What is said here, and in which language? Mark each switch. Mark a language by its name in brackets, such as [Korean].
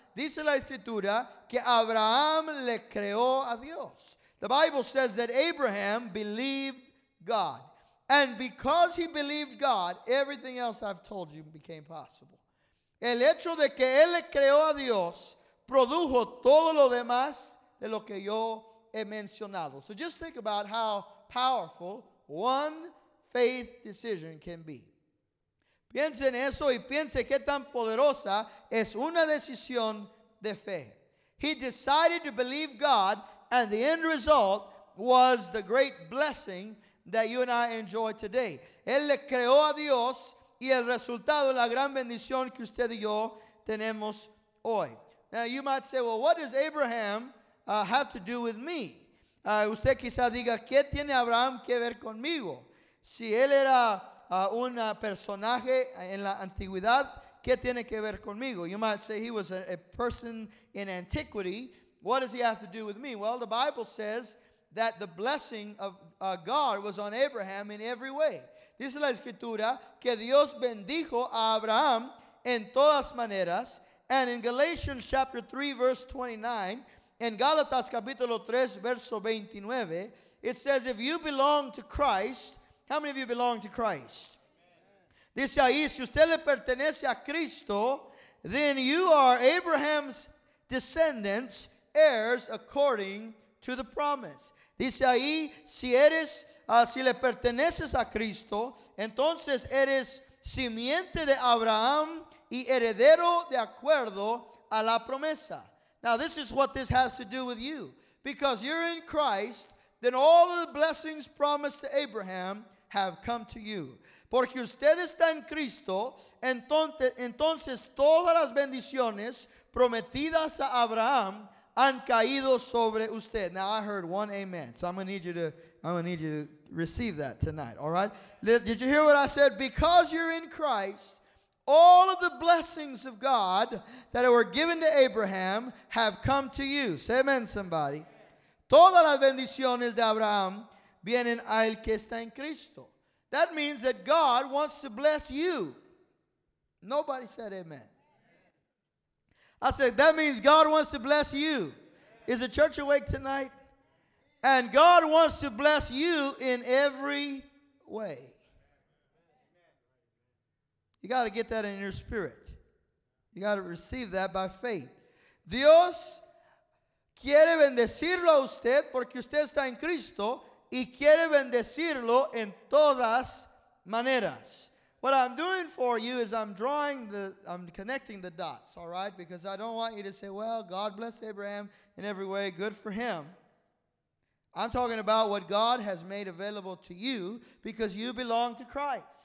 [Spanish] Dice la Escritura que Abraham le creó a Dios. [English] The Bible says that Abraham believed God. And because he believed God, everything else I've told you became possible. [Spanish] El hecho de que él le creó a Dios produjo todo lo demás de lo que yo he mencionado. [English] So just think about how powerful one faith decision can be. [Spanish] Piense en eso y piense qué tan poderosa es una decisión de fe. [English] He decided to believe God, and the end result was the great blessing that you and I enjoy today. [Spanish] Él le creó a Dios y el resultado de la gran bendición que usted y yo tenemos hoy. [English] Now you might say, well, what does Abraham have to do with me? [Spanish] Usted quizá diga, ¿qué tiene Abraham que ver conmigo? Si él era un personaje en la antigüedad, ¿qué tiene que ver conmigo? [English] You might say he was a person in antiquity. What does he have to do with me? Well, the Bible says that the blessing of God was on Abraham in every way. [Spanish] Dice la Escritura que Dios bendijo a Abraham en todas maneras. [English] And in Galatians chapter 3, verse 29, [Spanish] en Gálatas capítulo 3, verso 29, [English] It says, if you belong to Christ, how many of you belong to Christ? [Spanish] Dice ahí, si usted le pertenece a Cristo, [English] then you are Abraham's descendants, heirs according to the promise. [Spanish] Dice ahí, si le perteneces a Cristo, entonces eres simiente de Abraham y heredero de acuerdo a la promesa. [English] Now this is what this has to do with you. Because you're in Christ, then all of the blessings promised to Abraham have come to you. [Spanish] Porque usted está en Cristo, entonces todas las bendiciones prometidas a Abraham han caído sobre usted. [English] Now I heard one amen. So I'm gonna need you to receive that tonight. All right? Did you hear what I said? Because you're in Christ, all of the blessings of God that were given to Abraham have come to you. Say amen, somebody. [Spanish] Todas las bendiciones de Abraham vienen a el que está en Cristo. [English] That means that God wants to bless you. Nobody said amen. I said, that means God wants to bless you. Is the church awake tonight? And God wants to bless you in every way. You got to get that in your spirit. You got to receive that by faith. [Spanish] Dios quiere bendecirlo a usted porque usted está en Cristo y quiere bendecirlo en todas maneras. [English] What I'm doing for you is I'm connecting the dots, all right? Because I don't want you to say, well, God bless Abraham in every way. Good for him. I'm talking about what God has made available to you because you belong to Christ.